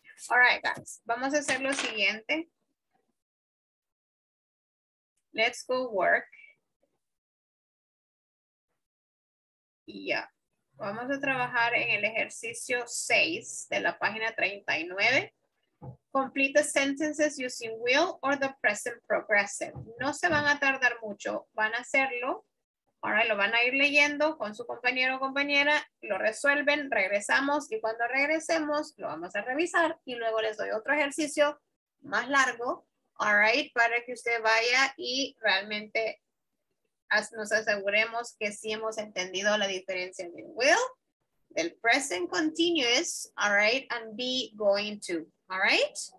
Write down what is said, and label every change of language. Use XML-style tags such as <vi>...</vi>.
<es>All right, guys, vamos a hacer lo siguiente.</es> <en>Let's go work.</en> <es>Yeah. Vamos a trabajar en el ejercicio 6 de la página 39.</es> <en>Complete the sentences using will or the present progressive.</en> <es>No se van a tardar mucho. Van a hacerlo. Ahora lo van a ir leyendo con su compañero o compañera. Lo resuelven, regresamos. Y cuando regresemos, lo vamos a revisar. Y luego les doy otro ejercicio más largo. All right, para que usted vaya y realmente nos aseguremos que sí hemos entendido la diferencia del will, del present continuous, all right,</es> <en>and be going to,</en> <es>all right?</es>